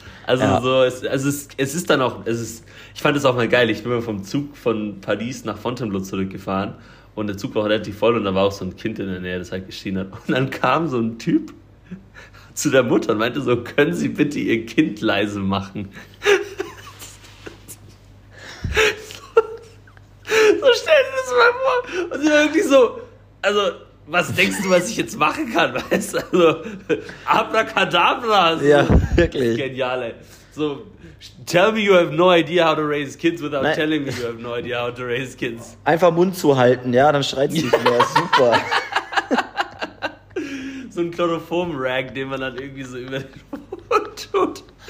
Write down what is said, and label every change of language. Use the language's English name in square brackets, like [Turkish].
[German] Also ich fand es auch mal geil, ich bin mal vom Zug von Paris nach Fontainebleau zurückgefahren und der Zug war relativ voll und da war auch so ein Kind in der Nähe, das halt geschrien hat und dann kam so ein Typ zu der Mutter und meinte so, können Sie bitte Ihr Kind leise machen? So stell dir das mal vor und sie war wirklich so, also, was denkst du, was ich jetzt machen kann, weißt du? Also, Abracadabra, so. Ja, wirklich. Geniale. [English] So, tell me you have no idea how to raise kids without Nein. telling me you have no idea how to raise kids. [German] Einfach Mund zu halten, ja, dann schreit sie nicht mehr. Super. So ein Chloroform-Rag, den man dann irgendwie so über den Mund tut.